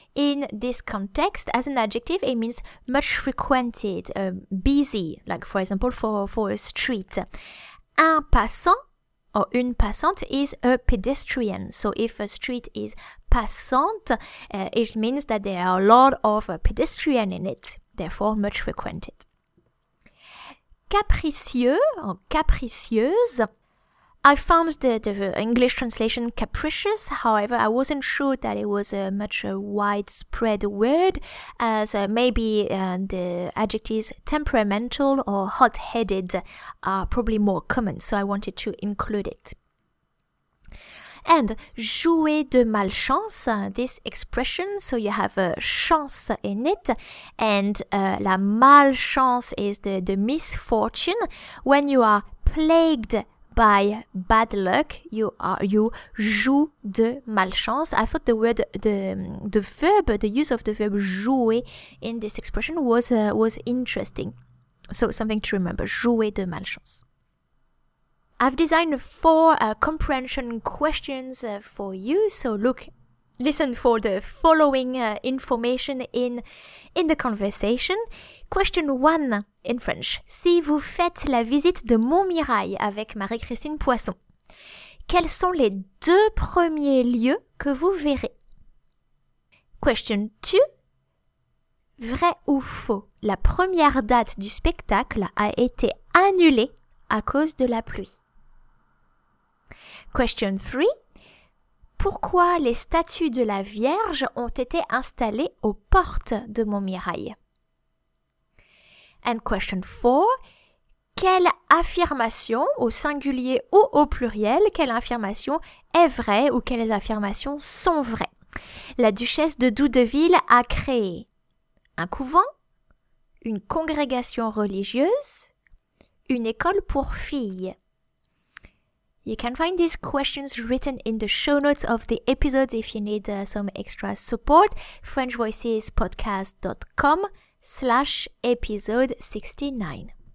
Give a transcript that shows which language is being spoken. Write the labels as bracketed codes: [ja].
[en] In this context, as an adjective, it means much frequented, busy, like for example for a street. Un passant or une passante is a pedestrian. So if a street is passante, it means that there are a lot of pedestrian in it. Therefore, much frequented. [fr] Capricieux or capricieuse. [en] I found the English translation capricious. However, I wasn't sure that it was a much widespread word, as maybe the adjectives temperamental or hot-headed are probably more common. So I wanted to include it. And jouer de malchance, this expression, so you have a chance in it, and la malchance is the misfortune. When you are plagued by bad luck, you joue de malchance. I thought the use of the verb jouer in this expression was interesting. So something to remember, jouer de malchance. I've designed four comprehension questions for you. So listen for the following information in the conversation. Question one in French. [fr] Si vous faites la visite de Montmirail avec Marie-Christine Poisson, quels sont les deux premiers lieux que vous verrez? [en] Question two. [fr] Vrai ou faux? La première date du spectacle a été annulée à cause de la pluie. [en] Question 3. [fr] Pourquoi les statues de la Vierge ont été installées aux portes de Montmirail? [en] And question 4. [fr] Quelle affirmation, au singulier ou au pluriel, quelle affirmation est vraie ou quelles affirmations sont vraies? La duchesse de Doudeville a créé un couvent, une congrégation religieuse, une école pour filles. [en] You can find these questions written in the show notes of the episodes if you need some extra support. FrenchVoicesPodcast.com/episode69.